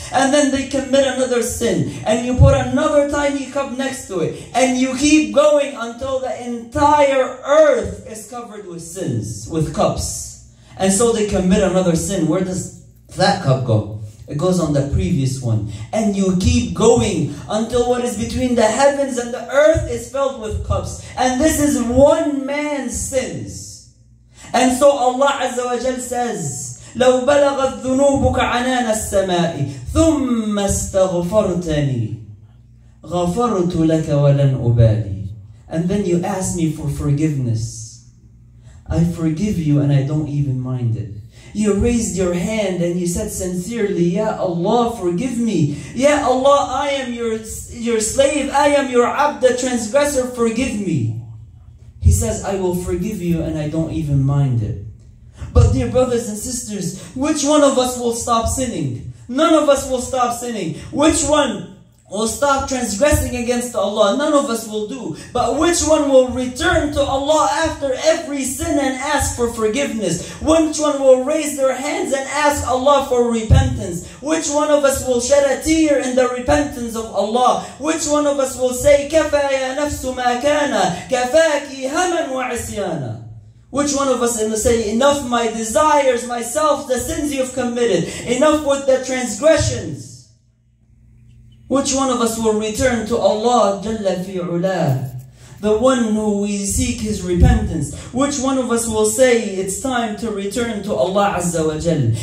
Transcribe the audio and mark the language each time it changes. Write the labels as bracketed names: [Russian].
[English] And then they commit another sin, and you put another tiny cup next to it, and you keep going until the entire earth is covered with sins, with cups. And so they commit another sin. Where does that cup go? It goes on the previous one. And you keep going until what is between the heavens and the earth is filled with cups. And this is one man's sins. And so Allah Azza wa Jal says, [Arabic] لَوْ بَلَغَتْ ذُنُوبُكَ عَنَانَ السَّمَاءِ ثُمَّ اسْتَغْفَرْتَنِي غَفَرْتُ لَكَ وَلَنْ أُبَالِي. [English] And then you ask me for forgiveness. I forgive you and I don't even mind it. You raised your hand and you said sincerely, Ya Allah, forgive me. Ya Allah, I am your slave. I am your abd, the transgressor. Forgive me. He says, I will forgive you and I don't even mind it. But dear brothers and sisters, which one of us will stop sinning? None of us will stop sinning. Which one will stop transgressing against Allah? None of us will do. But which one will return to Allah after every sin and ask for forgiveness? Which one will raise their hands and ask Allah for repentance? Which one of us will shed a tear in the repentance of Allah? Which one of us will say, [Arabic] كَفَى يَا نَفْسُ مَا كَانَ كَفَاكِ هَمًا وَعِسْيَانَ. [English] Which one of us will say, enough my desires, myself, the sins you've committed, enough with the transgressions? Which one of us will return to Allah Jalla fi'ula, the one who we seek his repentance? Which one of us will say, it's time to return to Allah Azza wa Jal?